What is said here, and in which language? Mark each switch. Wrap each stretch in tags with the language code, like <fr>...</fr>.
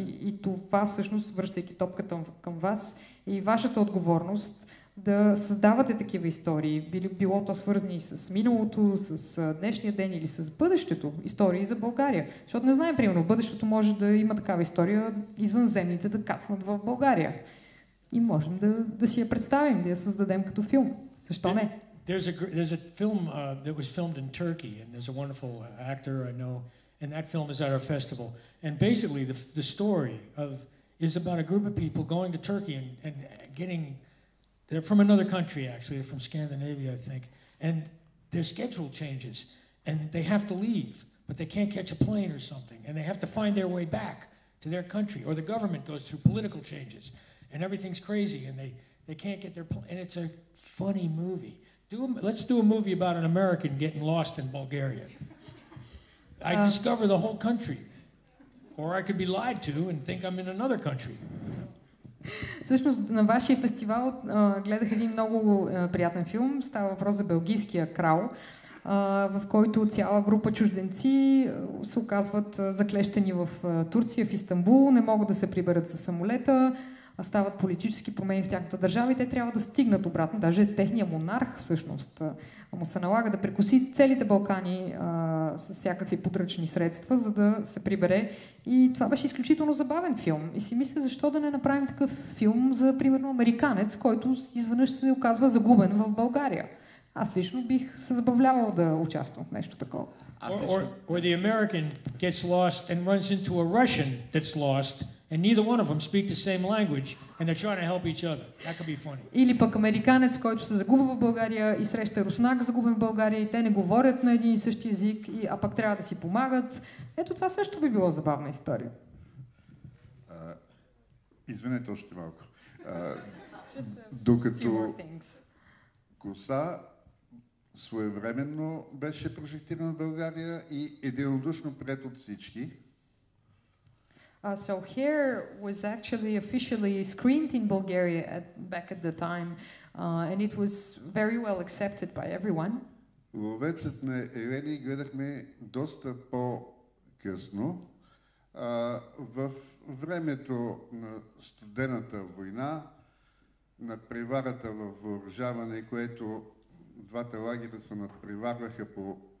<bg>И това всъщност, връщайки топката към вас, и вашата отговорност да създавате такива истории, било то свързани с миналото, с днешния ден или с бъдещето, истории за България. Защото не знаем, примерно, бъдещето може да има такава история, извънземните да кацнат в България. И можем да си я представим, да я създадем като филм. Защо не?</bg> <en>There's a film that was filmed in Turkey, and there's a wonderful actor I know, and that film is at our festival. And basically, the story is about a group of people going to Turkey and getting... They're from another country, actually. They're from Scandinavia, I think. And their schedule changes, and they have to leave, but they can't catch a plane or something, and they have to find their way back to their country, or the government goes through political changes, and everything's crazy, and they can't get their plane. And it's a funny movie. Let's do a movie about an American getting lost in Bulgaria. I discover the whole country. Or I could be lied to and think I'm in another country.</en> <bg>Всъщност на вашия фестивал гледах един много приятен филм. Става въпрос за Белгийския крал, в който цяла група чужденци се оказват заклещени в Турция, в Истанбул, не могат да се приберат със самолета, стават политически промени в тяхната държава и те трябва да стигнат обратно. Даже техния монарх всъщност му се налага да прекуси целите Балкани с всякакви подръчни средства, за да се прибере. И това беше изключително забавен филм. И си мисля, защо да не направим такъв филм за, примерно, американец, който изведнъж се оказва загубен в България. Аз лично бих се забавлявал да участвам в нещо такова.</bg> <en>Or the American gets lost and runs into a Russian that's lost, and neither one of them speak the same language, and they're trying to help each other. That could be funny.</en> <bg>Или пък американец, който се загубва в България и среща руснак, загубен в България, и те не говорят на един и същи език, а пък трябва да си помагат. Ето това също би било забавна история. Извинете още малко. Докато коса своевременно беше прожектиран в България и единодушно пред от всички.</bg> <en>So hair was actually officially screened in Bulgaria back at the time, and it was very well accepted by everyone.</en> <bg>Ловецът на Елени гледахме доста по-късно, в времето на студената война, на преварата във въоръжаване, което двата лагера се надпреварваха по</bg>